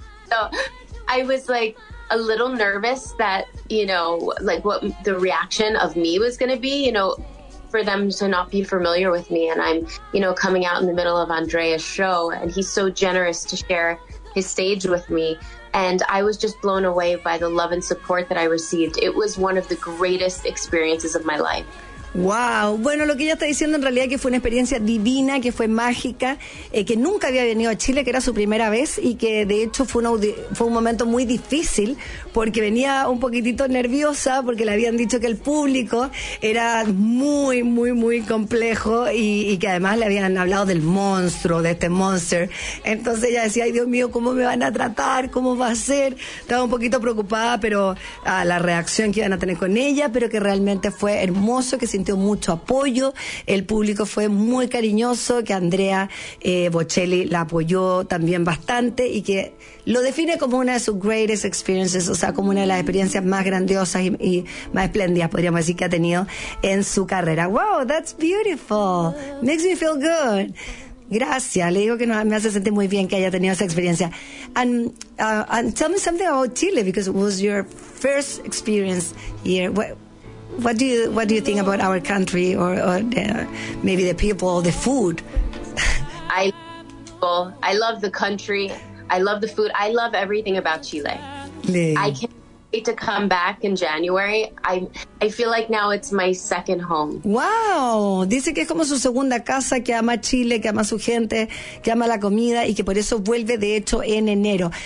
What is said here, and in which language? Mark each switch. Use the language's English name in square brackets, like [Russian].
[English] So I was like a little nervous that, you know, like what the reaction of me was going to be, you know, for them to not be familiar with me. And I'm, you know, coming out in the middle of Andrea's show, and he's so generous to share his stage with me. And I was just blown away by the love and support that I received. It was one of the greatest experiences of my life. Wow. [Spanish] Bueno, lo que ella está diciendo en realidad es que fue una experiencia divina, que fue mágica, que nunca había venido a Chile, que era su primera vez, y que de hecho fue un momento muy difícil porque venía un poquitito nerviosa porque le habían dicho que el público era muy, muy, muy complejo y que además le habían hablado del monstruo, de este monster. Entonces ella decía, ay Dios mío, ¿cómo me van a tratar? ¿Cómo va a ser? Estaba un poquito preocupada, pero la reacción que iban a tener con ella, pero que realmente fue hermoso, que sintió mucho apoyo, el público fue muy cariñoso, que Andrea Bocelli la apoyó también bastante y que lo define como una de sus [English] greatest experiences, [Spanish] o sea, como una de las experiencias más grandiosas y más espléndidas, podríamos decir, que ha tenido en su carrera. [English] Wow, that's beautiful, makes me feel good. [Spanish] Gracias, le digo que me hace sentir muy bien que haya tenido esa experiencia. [English] And tell me something about Chile, because it was your first experience here. What do you think about our country or maybe the people, the food? I love the country. I love the food. I love everything about Chile. I can't wait to come back in January. I feel like now it's my second home. Wow. [Spanish] Dice que es como su segunda casa, que ama Chile, que ama su gente, que ama la comida y que por eso vuelve de hecho en enero.